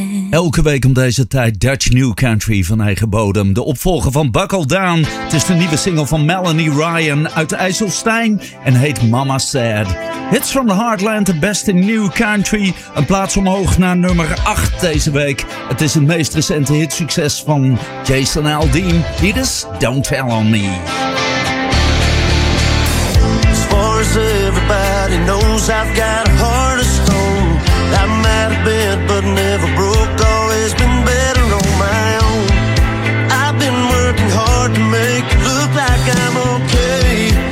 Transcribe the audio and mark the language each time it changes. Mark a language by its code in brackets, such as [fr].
[nl] Elke week om deze tijd Dutch New Country van eigen bodem. De opvolger van Buckle Down. Het is de nieuwe single van Melanie Ryan uit IJsselstein en heet Mama Said. [en] Hits from the Heartland, the best in new country. [nl] Een plaats omhoog naar nummer 8 deze week. Het is het meest recente hitsucces van Jason Aldean. Dit is Don't Tell On Me. [en] Everybody knows I've got a heart of stone. I might have bent but never broke. Always been better on my own. I've been working hard to make it look like I'm okay.